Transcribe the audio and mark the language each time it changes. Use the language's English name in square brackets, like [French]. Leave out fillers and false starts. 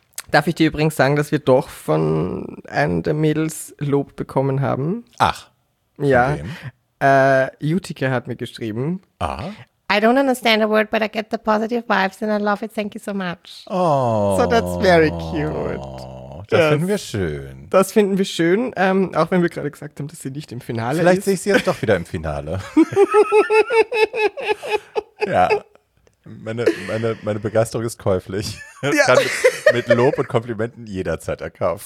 [German] Darf ich dir übrigens sagen, dass wir doch von einem der Mädels Lob bekommen haben? Ach. Ja, Utica hat mir geschrieben. Aha. [English] I don't understand a word, but I get the positive vibes and I love it. Thank you so much. Oh. So that's very cute. [German] Das finden wir schön. Das finden wir schön, auch wenn wir gerade gesagt haben, dass sie nicht im Finale ist. Vielleicht sehe ich sie jetzt doch wieder im Finale. Ja, meine Begeisterung ist käuflich. Ja. Kann mit Lob und Komplimenten jederzeit erkauft.